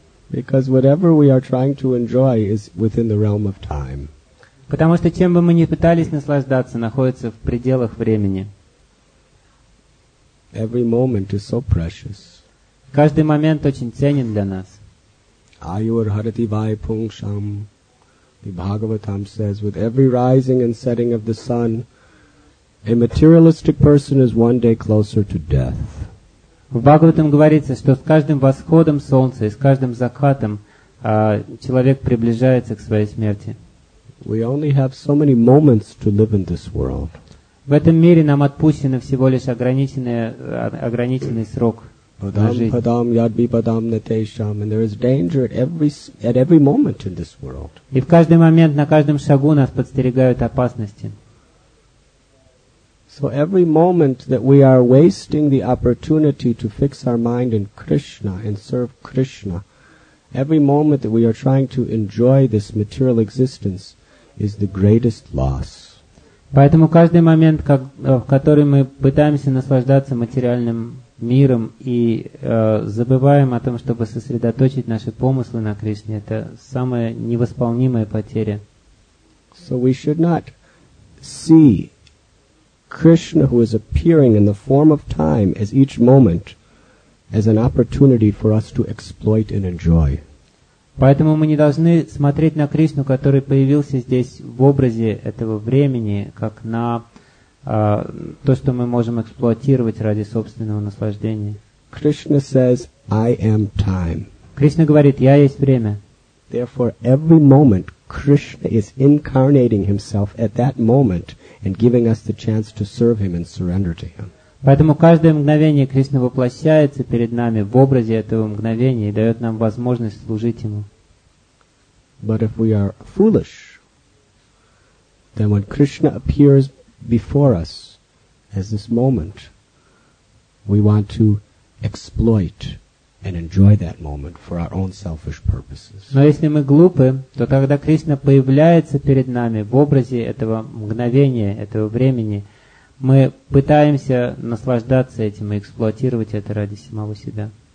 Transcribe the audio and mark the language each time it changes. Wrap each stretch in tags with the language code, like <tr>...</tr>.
<en>Because whatever we are trying to enjoy is within the realm of time.</en> <ru>Потому что чем бы мы ни пытались наслаждаться, находится в пределах времени.</ru> <en>Every moment is so precious.</en> <ru>Каждый момент очень ценен для нас.</ru> <sa>Ayur harati vai pungsham.</sa> <en>The Bhagavatam says, with every rising and setting of the sun, a materialistic person is one day closer to death.</en> <ru>В Бхагаватам говорится, что с каждым восходом солнца и с каждым закатом человек приближается к своей смерти.</ru> <en>We only have so many moments to live in this world.</en> <ru>В этом мире нам отпущен всего лишь ограниченный срок.</ru> <sa>Падам, ядби, падам, нетейшам,</sa> <en>and there is danger at every moment in this world.</en> <ru>И в каждый момент, на каждом шагу нас подстерегают опасности.</ru> <en>So every moment that we are wasting the opportunity to fix our mind in Krishna and serve Krishna, every moment that we are trying to enjoy this material existence is the greatest loss.</en> <ru>Поэтому каждый момент, в который мы пытаемся наслаждаться материальным миром и забываем о том, чтобы сосредоточить наши помыслы на Кришне, это самая невосполнимая потеря.</ru> <en>So we should not see Krishna, who is appearing in the form of time, as each moment, as an opportunity for us to exploit and enjoy.</en> <ru>Поэтому мы не должны смотреть на Кришну, который появился здесь в образе этого времени, как на то, что мы можем эксплуатировать ради собственного наслаждения.</ru> <en>Krishna says, I am time.</en> <ru>Кришна говорит, я есть время.</ru> <en>Therefore, every moment Krishna is incarnating himself at that moment and giving us the chance to serve him and surrender to him.</en> <ru>Поэтому каждое мгновение Кришна воплощается перед нами в образе этого мгновения и дает нам возможность служить Ему.</ru> <en>But if we are foolish, then when Krishna appears before us as this moment, we want to exploit and enjoy that moment for our own selfish purposes.</en> <ru>Но если мы глупы, то тогда Кришна появляется перед нами в образе этого мгновения, этого времени, мы пытаемся наслаждаться этим и эксплуатировать это ради самого себя.</ru>